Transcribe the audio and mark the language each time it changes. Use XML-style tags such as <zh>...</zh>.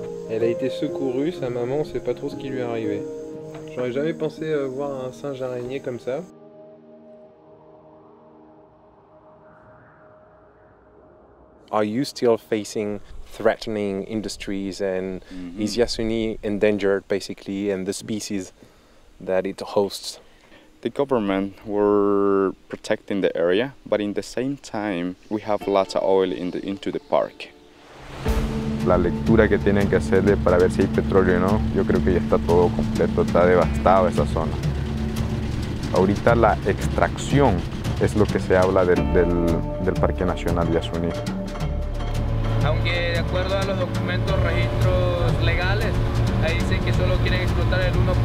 <fr>Elle a été secourue, sa maman, on ne sait pas trop ce qui lui est arrivé. J'aurais jamais pensé voir un singe araignée comme ça.</fr> <en>Are you still facing threatening industries and is Yasuni endangered basically and the species that it hosts? The government were protecting the area, but in the same time we have lots of oil into the park.</en> <es>La lectura que tienen que hacerle para ver si hay petróleo o no, yo creo que ya está todo completo, está devastado esa zona. Ahorita la extracción es lo que se habla del Parque Nacional Yasuní. Aunque de acuerdo a los documentos, registros legales, ahí dicen que solo quieren explotar el 1%.</es>